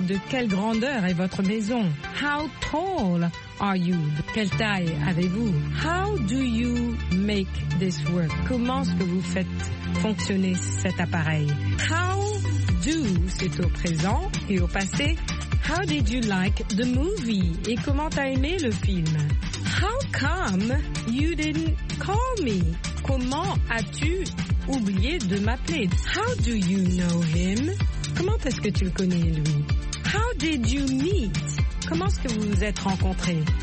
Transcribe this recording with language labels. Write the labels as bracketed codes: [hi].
[fr] De quelle grandeur est votre maison? [en] How tall are you? [fr] De quelle taille avez-vous? [en] How do you make this work? [fr] Comment est-ce que vous faites fonctionner cet appareil? [en] How do, [fr] c'est au présent et au passé. [en] How did you like the movie? [fr] Et comment t'as aimé le film? [en] How come you didn't call me? [fr] Comment as-tu oublié de m'appeler? [en] How do you know him? [fr] Comment est-ce que tu le connais, lui? [en] How did you meet? [fr] Comment est-ce que vous vous êtes rencontrés?